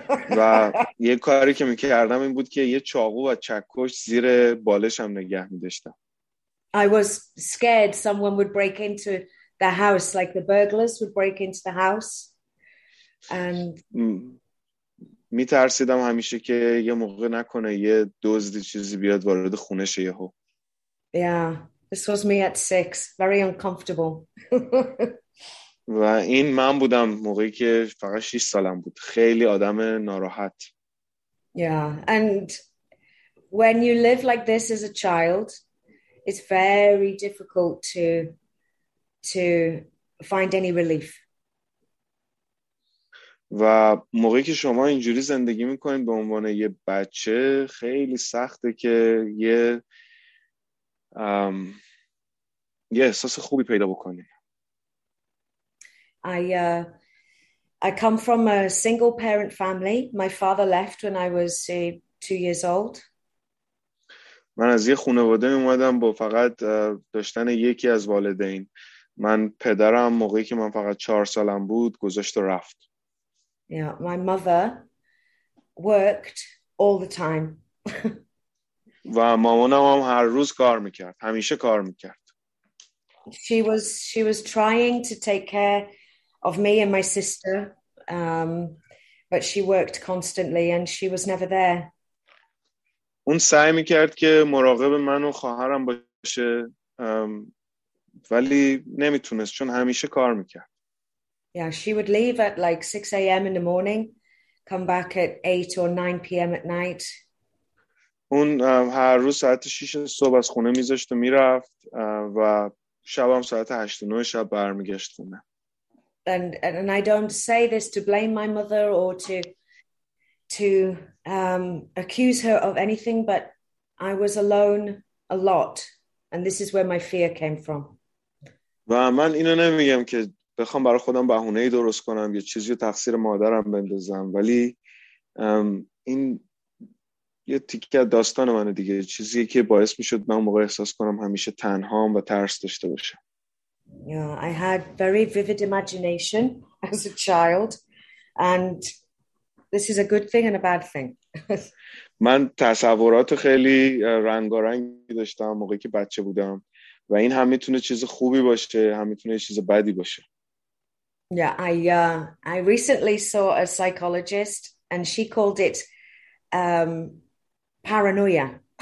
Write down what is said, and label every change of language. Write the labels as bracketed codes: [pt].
[fa] و یه کاری که می‌کردم این بود که یه چاقو و چکش زیر بالشم نگه می‌داشتم. [en] I was scared someone would break into the house, like the burglars would break into the house. And [fa] می‌ترسیدم همیشه که یه موقع نکنه یه دزدی چیزی بیاد وارد خونه شه یهو. [en] Yeah, this was me at 6, very uncomfortable. [fa] و این من بودم موقعی که فقط 6 سالم بود، خیلی آدم ناراحت. [en] Yeah, and when you live like this as a child, it's very difficult to find any relief. [fa] و موقعی که شما اینجوری زندگی میکنید به عنوان یه بچه، خیلی سخته که یه احساس خوبی پیدا بکنید. [en] I come from a single parent family. My father left when I was 2 years old. [fa] من از یه خانواده اومدم با فقط داشتن یکی از والدین. من پدرم موقعی که من فقط 4 سالم بود گذاشت و رفت. [en] Yeah, my mother worked all the time. [fa] و مامانم هم هر روز کار میکرد. همیشه کار میکرد. [en] She was trying to take care of me and my sister, but she worked constantly and she was never there. [fa] اون سعی میکرد که مراقب من و خواهرم باشه، ولی نمیتونست چون همیشه کار میکرد. [en] Yeah, she would leave at like 6 a.m. in the morning, come back at 8 or 9 p.m. at night. [fa] اون هر روز ساعت 6 صبح از خونه میذاشت و میرفت و شبم ساعت 8 و 9 شب برمیگشت خونه. [en] And I don't say this to blame my mother or to accuse her of anything, but I was alone a lot, and this is where my fear came from. [fa] و من اینو نمیگم که بخوام برای خودم بهونه ای درست کنم یا چیزی رو تقصیر مادرم بندازم، ولی این یه تیکه داستان منه دیگه، چیزی که باعث میشد من موقع احساس کنم همیشه تنهام و ترس داشته باشم. [en] Yeah, I had very vivid imagination as a child, and this is a good thing and a bad thing. [fa] من تصورات خیلی رنگارنگی داشتم موقعی که بچه بودم و این هم میتونه چیز خوبی باشه، هم میتونه چیز بدی باشه. [en] Yeah, I recently saw a psychologist and she called it paranoia.